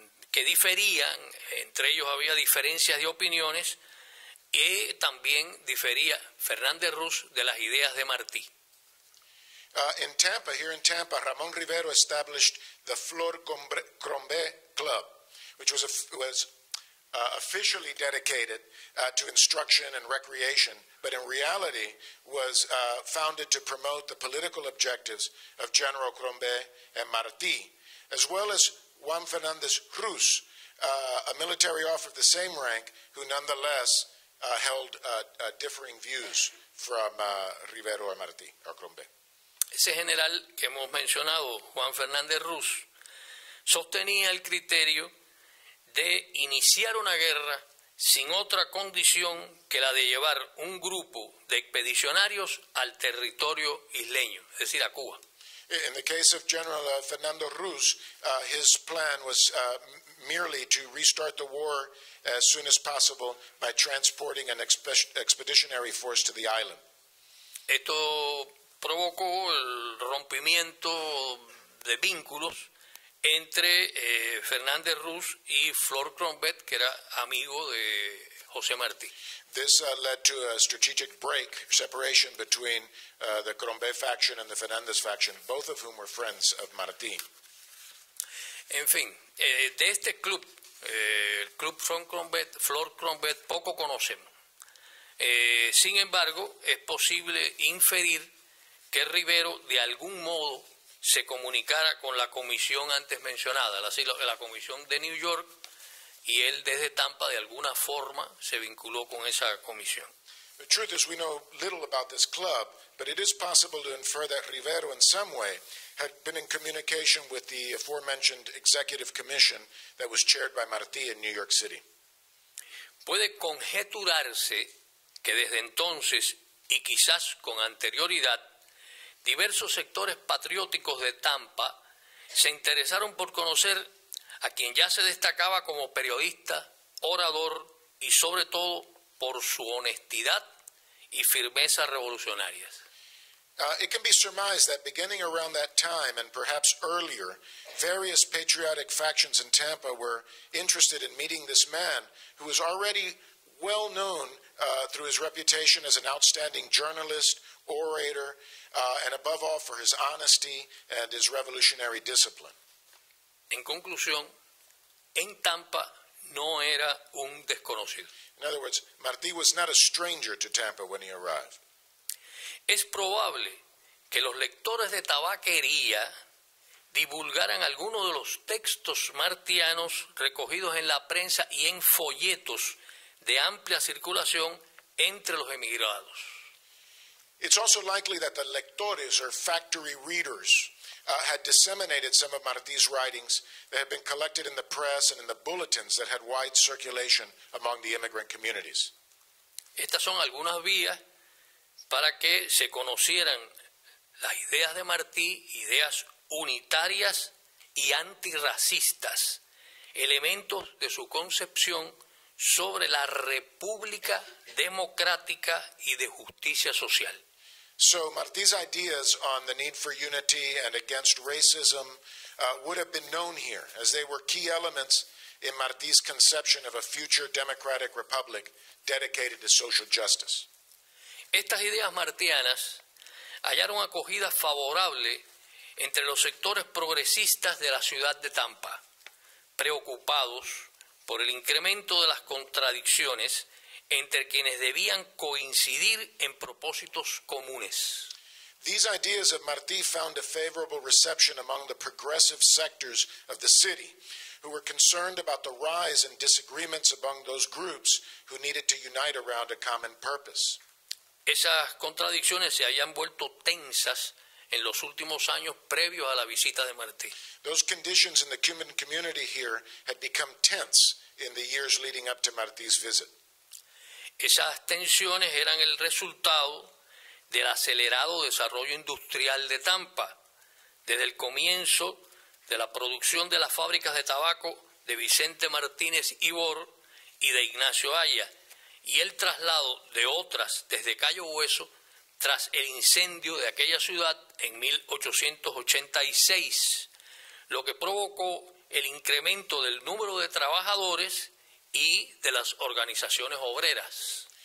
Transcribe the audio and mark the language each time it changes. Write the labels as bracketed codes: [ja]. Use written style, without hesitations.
[es] que diferían, entre ellos había diferencias de opiniones, y también difería Fernández Ruz de las ideas de Martí. [en] In Tampa, here in Tampa, Ramón Rivero established the Flor Crombet Club, which was officially dedicated to instruction and recreation, but in reality was founded to promote the political objectives of General Crombet and Martí, as well as Juan Fernández Ruz, a military officer of the same rank, who nonetheless held differing views from Rivero or Martí or Crombet. [es] Ese general que hemos mencionado, Juan Fernández Ruz, sostenía el criterio de iniciar una guerra sin otra condición que la de llevar un grupo de expedicionarios al territorio isleño, es decir, a Cuba. [en] In the case of General Fernando Ruz, his plan was merely to restart the war as soon as possible by transporting an expeditionary force to the island. [es] Esto provocó el rompimiento de vínculos entre Fernández Ruz y Flor Crombet, que era amigo de José Martí. [en] This led to a strategic break, separation between the Crombet faction and the Fernández faction, both of whom were friends of Martí. [es] En fin, de este club, el club Flor Crombet, poco conocemos. Sin embargo, es posible inferir que Rivero, de algún modo, se comunicara con la comisión antes mencionada, la comisión de New York, y él desde Tampa de alguna forma se vinculó con esa comisión. [en] The truth is we know little about this club, but it is possible to infer that Rivero in some way had been in communication with the aforementioned executive commission that was chaired by Martí in New York City. [es] Puede conjeturarse que desde entonces y quizás con anterioridad diversos sectores patrióticos de Tampa se interesaron por conocer a quien ya se destacaba como periodista, orador y sobre todo por su honestidad y firmeza revolucionarias. [en] It can be surmised that beginning around that time and perhaps earlier, various patriotic factions in Tampa were interested in meeting this man who was already well known through his reputation as an outstanding journalist, orator, and above all for his honesty and his revolutionary discipline. [es] En conclusión, en Tampa no era un desconocido. [en] In other words, Martí was not a stranger to Tampa when he arrived. [es] Es probable que los lectores de Tabaquería divulgaran algunos de los textos martianos recogidos en la prensa y en folletos de amplia circulación entre los emigrados. [en] It's also likely that the lectores or factory readers had disseminated some of Martí's writings that had been collected in the press and in the bulletins that had wide circulation among the immigrant communities. [es] Estas son algunas vías para que se conocieran las ideas de Martí, ideas unitarias y antirracistas, elementos de su concepción sobre la república democrática y de justicia social. [en] So Martí's ideas on the need for unity and against racism would have been known here, as they were key elements in Martí's conception of a future democratic republic dedicated to social justice. [es] Estas ideas martianas hallaron acogida favorable entre los sectores progresistas de la ciudad de Tampa, preocupados por el incremento de las contradicciones entre quienes debían coincidir en propósitos comunes. [en] These ideas of Martí found a favorable reception among the progressive sectors of the city, who were concerned about the rise in disagreements among those groups who needed to unite around a common purpose. [es] Esas contradicciones se habían vuelto tensas en los últimos años previos a la visita de Martí. [en] Those conditions in the Cuban community here had become tense in the years leading up to Martí's visit. [es] Esas tensiones eran el resultado del acelerado desarrollo industrial de Tampa, desde el comienzo de la producción de las fábricas de tabaco de Vicente Martínez Ibor y de Ignacio Aya, y el traslado de otras desde Cayo Hueso tras el incendio de aquella ciudad en 1886, lo que provocó el incremento del número de trabajadores y de las organizaciones obreras.